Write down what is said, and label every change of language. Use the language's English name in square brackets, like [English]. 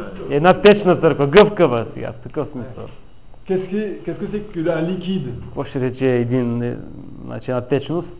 [Bulgarian] Една течна църква, гъвкава сега, в такъв смисъл. [French] Qu'est-ce que c'est que la liquide? [Bulgarian] Какво ще рече един, значи една течност?